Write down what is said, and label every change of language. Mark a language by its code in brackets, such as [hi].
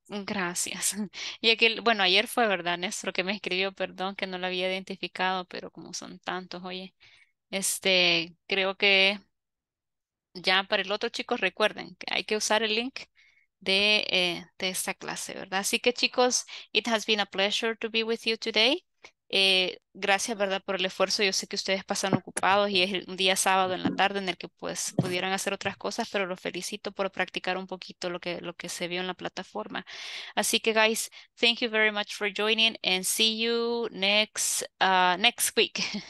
[es] Gracias. Y aquel, bueno, ayer fue, ¿verdad, Néstor, que me escribió? Perdón que no lo había identificado, pero como son tantos, oye. Creo que ya para el otro, chicos, recuerden que hay que usar el link de esta clase, ¿verdad? Así que, chicos, [en] it has been a pleasure to be with you today. [es] Gracias, ¿verdad?, por el esfuerzo. Yo sé que ustedes pasan ocupados y es un día sábado en la tarde en el que pues pudieran hacer otras cosas, pero los felicito por practicar un poquito lo que se vio en la plataforma. Así que, [en] guys, thank you very much for joining and see you next week.